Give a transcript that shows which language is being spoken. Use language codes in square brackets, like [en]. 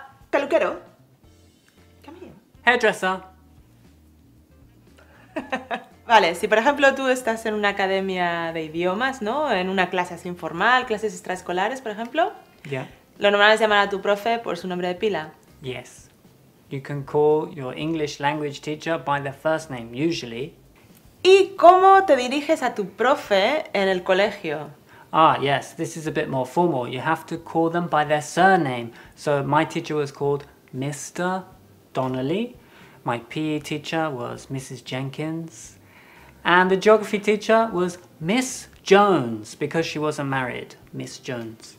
[es] Peluquero. [en] Hairdresser. [es] Vale, si por ejemplo tú estás en una academia de idiomas, ¿no? En una clase así informal, clases extraescolares, por ejemplo. [en] Yeah. [es] Lo normal es llamar a tu profe por su nombre de pila. [en] Yes. You can call your English language teacher by their first name, usually. [es] ¿Y cómo te diriges a tu profe en el colegio? [en] Ah, yes. This is a bit more formal. You have to call them by their surname. So my teacher was called Mr. Donnelly. My PE teacher was Mrs. Jenkins. And the geography teacher was Miss Jones, because she wasn't married. Miss Jones.